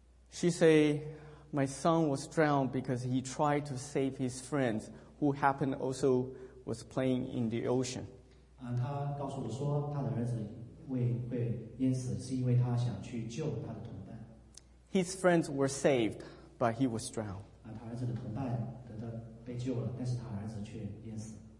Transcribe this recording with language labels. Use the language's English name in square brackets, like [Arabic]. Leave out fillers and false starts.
[English] She said, "My son was drowned because he tried to save his friends who happened also was playing in the ocean." [Chinese] 他告诉我说，他的儿子会淹死，是因为他想去救他的同伴。 [English] His friends were saved, but he was drowned. [Chinese] 他儿子的同伴被救了，但是他儿子却淹死。